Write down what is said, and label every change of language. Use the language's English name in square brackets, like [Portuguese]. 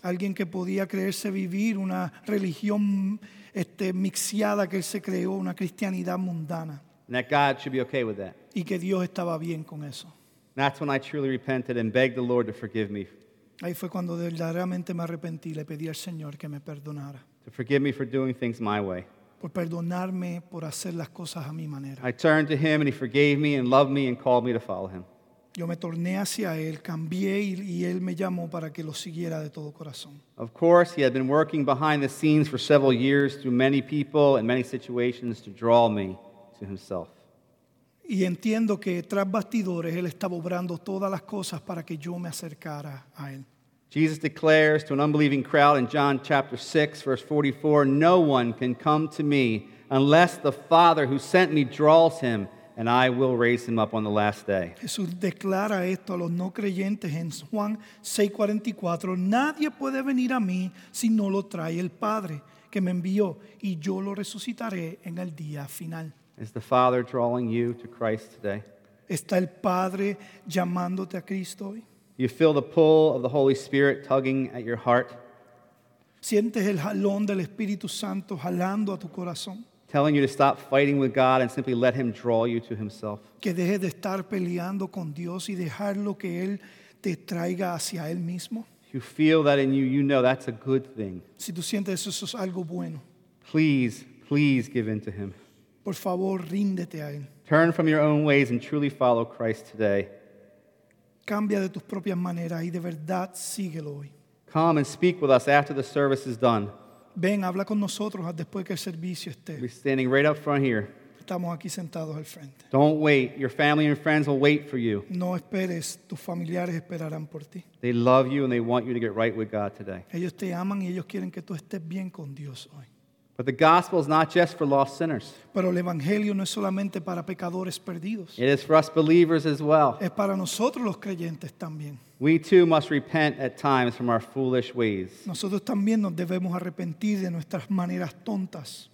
[Spanish] Alguien que podía creerse vivir una religión mixiada que él se creó, una cristianidad mundana. [English] And that God should be okay with that. [Spanish] Y que Dios estaba bien con eso. [English] And that's when I truly repented and begged the Lord to forgive me. [Spanish] Ahí fue cuando verdaderamente me arrepentí, le pedí al Señor que me perdonara. [English] To forgive me for doing things my way. [Spanish] Por perdonarme por hacer las cosas a mi manera. [English] I turned to Him and He forgave me and loved me and called me to follow Him. [Spanish] Yo me torné hacia Él, cambié y Él me llamó para que lo siguiera de todo corazón. [English] Of course, He had been working behind the scenes for several years through many people and many situations to draw me to Himself. [Spanish] Y entiendo que tras bastidores Él estaba obrando todas las cosas para que yo me acercara a Él. [English] Jesus declares to an unbelieving crowd in John chapter 6, verse 44, "No one can come to me unless the Father who sent me draws him, and I will raise him up on the last day." [Spanish] Jesús declara esto a los no creyentes en Juan 6:44. Nadie puede venir a mí si no lo trae el Padre que me envió, y yo lo resucitaré en el día final. [English] Is the Father drawing you to Christ today? [Spanish] ¿Está el Padre llamándote a Cristo hoy? [English] You feel the pull of the Holy Spirit tugging at your heart. [Spanish] Sientes el jalón del Espíritu Santo jalando a tu corazón. [English] Telling you to stop fighting with God and simply let Him draw you to Himself. [Spanish] Que dejes de estar peleando con Dios y dejarlo que Él te traiga hacia Él mismo. [English] You feel that in you, you know that's a good thing. [Spanish] Si tú sientes eso, eso es algo bueno. [English] Please, please give in to Him. [Spanish] Por favor, ríndete a Él. [English] Turn from your own ways and truly follow Christ today. [Spanish] Cambia de tus propias maneras y de verdad síguelo hoy. [English] Come and speak with us after the service is done. [Spanish] Ven, habla con nosotros después que el servicio esté. [English] We're standing right up front here. [Spanish] Estamos aquí sentados al frente. [English] Don't wait. Your family and friends will wait for you. [Spanish] No esperes. Tus familiares esperarán por ti. [English] They love you and they want you to get right with God today. [Spanish] Ellos te aman y ellos quieren que tú estés bien con Dios hoy. [English] But the gospel is not just for lost sinners. [Spanish] Pero el evangelio no es solamente para pecadores perdidos. [English] It is for us believers as well. [Spanish] Es para nosotros los creyentes también. [English] We too must repent at times from our foolish ways. [Spanish] Nosotros también nos debemos arrepentir de nuestras maneras tontas.